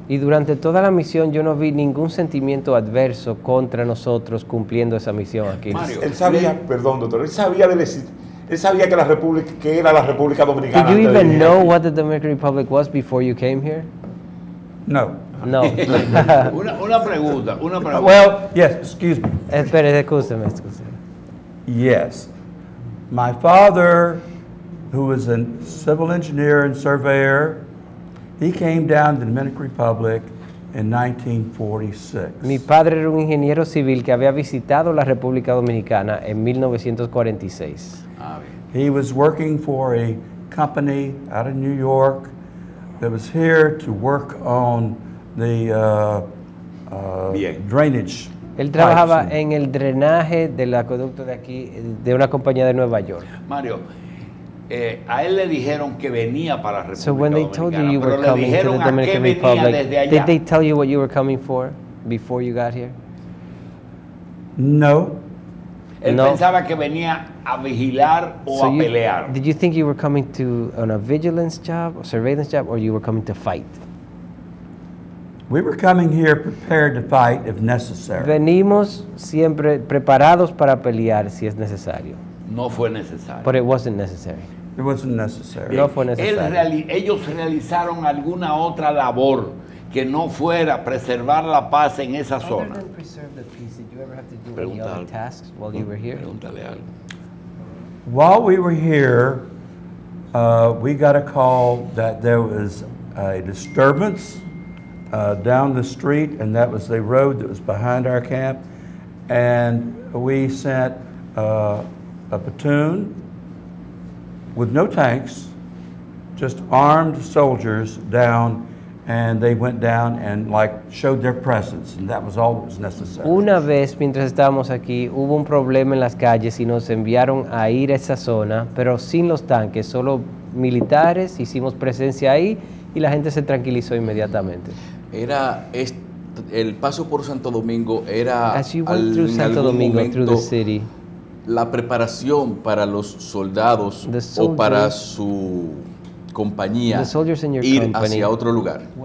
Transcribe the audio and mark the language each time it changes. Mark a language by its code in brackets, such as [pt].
[es] Y durante toda la misión yo no vi ningún sentimiento adverso contra nosotros cumpliendo esa misión aquí. Mario, él sabía que la República, que era la República Dominicana. [en] Did you even know what the Dominican Republic was before you came here? No. No. [es] una pregunta. [en] Well, yes, excuse me. [es] Espere, [en] excuse me. Yes. My father, who was a civil engineer and surveyor, he came down to the Dominican Republic in 1946. [es] Mi padre era un ingeniero civil que había visitado la República Dominicana en 1946. [en] He was working for a company out of New York that was here to work on the drainage. [es] Él trabajaba en el drenaje del acueducto de aquí, de una compañía de Nueva York. Mario, a él le dijeron que venía para la República Dominicana. [en] So when they told you were coming to the Dominican Republic, did they tell you what you were coming for before you got here? No. [es] Él pensaba que venía a vigilar o a pelear. [en] Did you think you were coming to on a vigilance job, a surveillance job, or you were coming to fight? We were coming here prepared to fight if necessary. [es] Venimos siempre preparados para pelear si es necesario. No fue necesario. [en] But it wasn't necessary. It wasn't necessary. [es] No fue necesario. Ellos realizaron alguna otra labor que no fuera preservar la paz en esa zona. [en] Other than preserve the peace, did you ever have to do any other tasks while you were here? [es] Pregúntale algo. [en] While we were here, we got a call that there was a disturbance down the street, and that was the road that was behind our camp, and we sent a platoon with no tanks, just armed soldiers down, and they went down and like showed their presence, and that was all that was necessary. [es] Una vez mientras estábamos aquí, hubo un problema en las calles y nos enviaron a ir a esa zona, pero sin los tanques, solo militares, hicimos presencia ahí y la gente se tranquilizó inmediatamente. Era el paso por Santo Domingo era en algún momento, la preparación para los soldados o para su compañía ir hacia otro lugar.